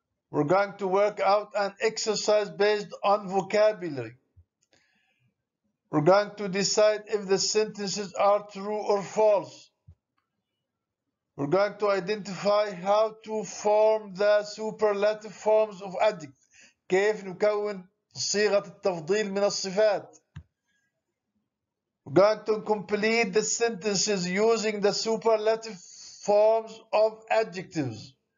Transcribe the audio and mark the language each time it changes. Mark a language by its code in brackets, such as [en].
[en] We're going to work out an exercise based on vocabulary. We're going to decide if the sentences are true or false. We're going to identify how to form the superlative forms of adjectives. [ar] كيف نكون صيغة التفضيل من الصفات. [en] We're going to complete the sentences using the superlative forms of adjectives.